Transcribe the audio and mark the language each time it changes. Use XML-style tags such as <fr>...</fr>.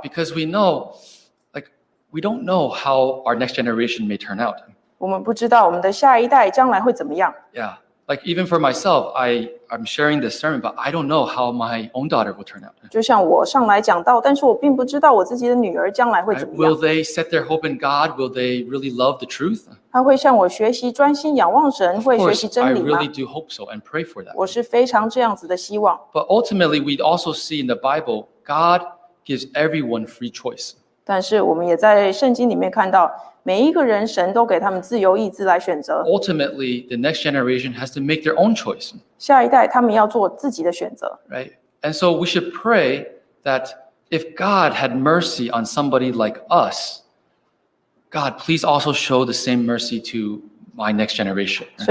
<en>Because we know, like, we don't know how our next generation may turn out.</en> <zh>我们不知道我们的下一代将来会怎么样。</zh> <en>Yeah, like even for myself, I'm sharing this sermon, but I don't know how my own daughter will turn out.</en> <zh>就像我上来讲道，但是我并不知道我自己的女儿将来会怎么样。</zh> <en>Will they set their hope in God? Will they really love the truth?</en> <zh>她会向我学习专心仰望神，会学习真理吗？</zh> <en>Of course, I really do hope so and pray for that.</en> <zh>我是非常这样子的希望。</zh> <en>But ultimately, we'd also see in the Bible, God gives everyone free choice.</en> <zh>但是我们也在圣经里面看到， 每一个人神都给他们自由意志来选择。</zh> <en>Ultimately, the next generation has to make their own choice.</en> <zh>下一代他们要做自己的选择。</zh> <en>Right? And so we should pray that if God had mercy on somebody like us, God, please also show the same mercy to my next generation.</en>